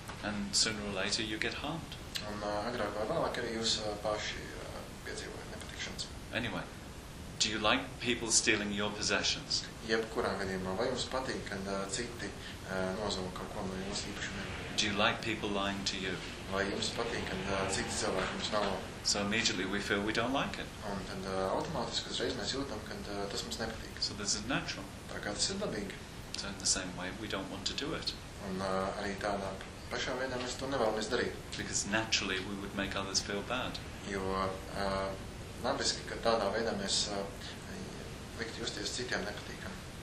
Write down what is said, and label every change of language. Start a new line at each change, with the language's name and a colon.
English: And sooner or later you get harmed.
Latvian: Un agrāk vai vēlāk arī jūs paši piedzīvojat nepatikšanas.
English: Anyway, do you like people stealing your possessions?
Latvian: Jebkurā gadījumā, vai jums patīk, kad citi nozog kaut ko no jūsu īpašumiem?
English: Do you like people lying to you?
Latvian: Vai jums patīk, kad citi cilvēki jums melo?
English: So immediately we feel we don't like it.
Latvian: Un tad automātiski uzreiz mēs jūtam, kad tas mums nepatīk.
English: So this is natural.
Latvian: Tā kā tas ir dabīgi.
English: So in the same way, we don't want to do it.
Latvian: Un arī tādā pašā veidā mēs to nevēlamies darīt.
English: Because naturally we would make others feel bad.
Latvian: Jo nabiski, ka tādā veidā mēs likt justies citiem nepatīkam.